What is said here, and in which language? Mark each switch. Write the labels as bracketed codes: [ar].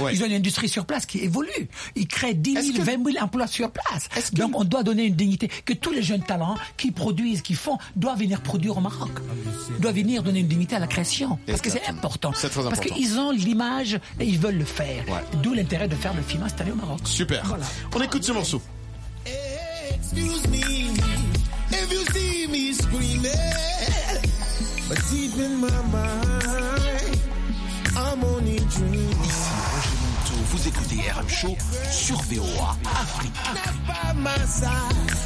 [fr] Ils ont une industrie sur place qui évolue. Ils créent 10 000, 20 000 emplois sur place. Donc, on doit donner une dignité que tous les jeunes talents qui produisent, qui font, doit venir produire au Maroc, doit venir donner une dignité à la création. Parce que c'est important. C'est très important. Parce qu'ils ont l'image et ils veulent le faire. Ouais. D'où l'intérêt de faire le film installé au Maroc. Super. Voilà. On écoute ce morceau. [en] Excuse me, if you see me screaming, but deep in my mind, I'm only dreaming. [fr] Ici Roger Monteau, vous écoutez RM Show sur VOA Afrique.